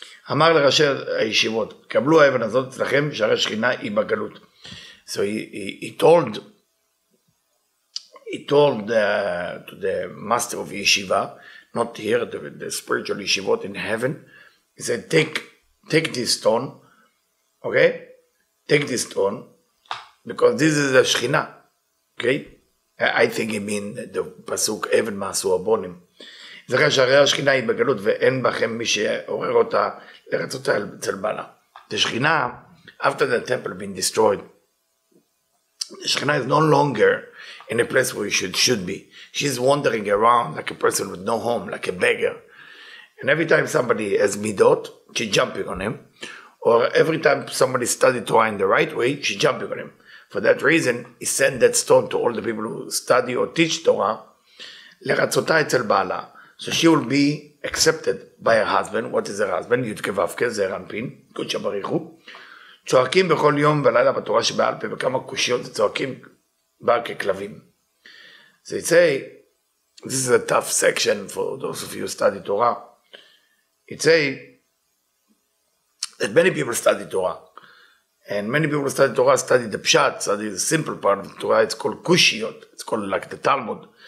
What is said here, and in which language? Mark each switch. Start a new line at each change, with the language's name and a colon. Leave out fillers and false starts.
Hebrew: אמר לראשי הישיבות, קבלו האבן הזאת אצלכם, שהרי שכינה היא בגלות.
English: So he told to the master of yeshiva, not here, the spiritual yeshivot in heaven, he said, take this stone, okay? Take this stone, because this is the Shekhinah, okay? I think he mean the pasuk,
Hebrew: even ma'asu abonim. זכר שהרי השכינה היא בגלות, ואין בכם מי שעורר אותה לרצות אותה אצל בעלה.
English: The Shekhinah, after the temple been destroyed, the Shekhinah is no longer in a place where she should be. She's wandering around like a person with no home, like a beggar. And every time somebody has midot, she's jumping on him. Or every time somebody studied Torah in the right way, she's jumping on him. For that reason, he sent that stone to all the people who study or teach Torah,
Hebrew: לרצותה אצל בעלה.
English: So she will be accepted by her husband. What is her husband? Yudke Vavke, Zer Anpin, Kudsha Barichu.
Hebrew: צועקים בכל יום ולילה בתורה שבעל פה, וכמה קושיות צועקים בה ככלבים.
English: So it say, this is a tough section for those of you who study Torah. It say, that many people study Torah. And many people study Torah, study the Pshat, study the simple part of the Torah, it's called Kushiyot, it's called like the Talmud.